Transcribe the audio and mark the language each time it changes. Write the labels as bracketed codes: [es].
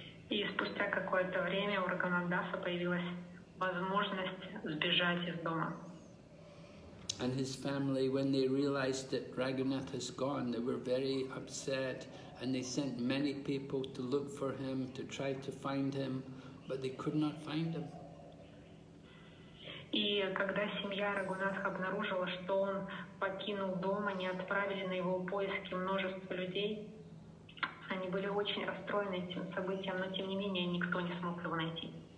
[ru] И спустя какое-то время у Раghunath Das появилась возможность сбежать из дома. [en] And his family, when they realized that Raghunath has gone, they were very upset, and they sent many people to look for him, to try to find him, but they could not find him. [ru] И когда семья Рагунатха обнаружила, что он покинул дом, они отправили на его поиски множество людей. Они были очень расстроены этим событием, но тем не менее никто не смог его найти.